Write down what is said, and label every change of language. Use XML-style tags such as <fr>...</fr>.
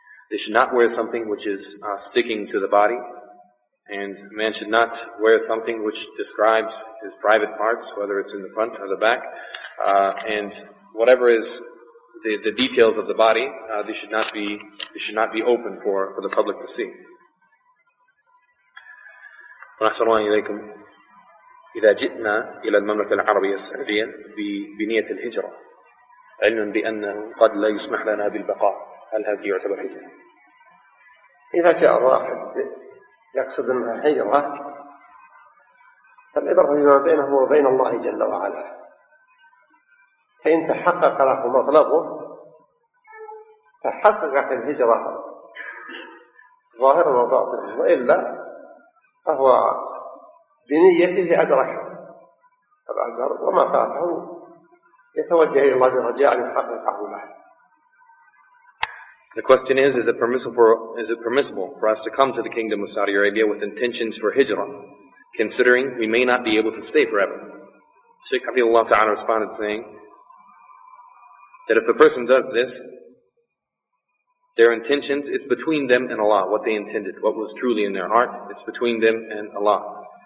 <en>They should not wear something which is sticking to the body. And a man should not wear something which describes his private parts, whether it's in the front or the back. And whatever is the details of the body, they should not be open for the public to see.</en> <ar>السلام عليكم. إذا جئنا إلى المملكة العربية السعودية بنية الهجرة، علما بأن قد لا يسمح لنا بالبقاء، هل هذا يعتبر هجرة؟ إذا جاء واحد يقصد أنها هجرة فالعبرة بما بينه وبين الله جل وعلا فإن تحقق له مطلبه تحققت الهجرة ظاهرا وباطنا وإلا فهو بنيته أدرك الأجر وما فاته يتوجه إلى الله برجاء يحققه له.</ar> <en>The question is it permissible for us to come to the Kingdom of Saudi Arabia with intentions for hijrah, considering we may not be able to stay forever? Shaykh Hafidhullah Ta'ala responded saying that if a person does this, their intentions, it's between them and Allah, what they intended, what was truly in their heart, it's between them and Allah.</en>